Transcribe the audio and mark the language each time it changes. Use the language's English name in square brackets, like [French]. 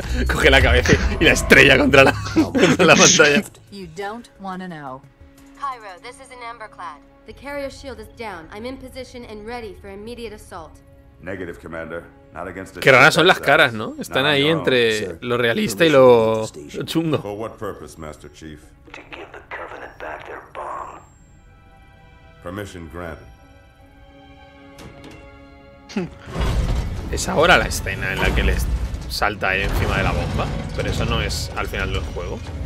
[Spanish] Coge la cabeza y la estrella contra la, pantalla. [English] You don't wanna know. Cairo, this is an Amberclad. The carrier shield is down. I'm in position and ready for immediate assault. Negative, Commander. [Spanish] Qué raras son las caras, ¿no? Están ahí entre lo realista y lo chungo. [English] For what purpose, Master Chief? To give the Covenant back their bomb. Permission granted. [Spanish] Es ahora la escena en la que les salta ahí encima de la bomba, pero eso no es al final del juego.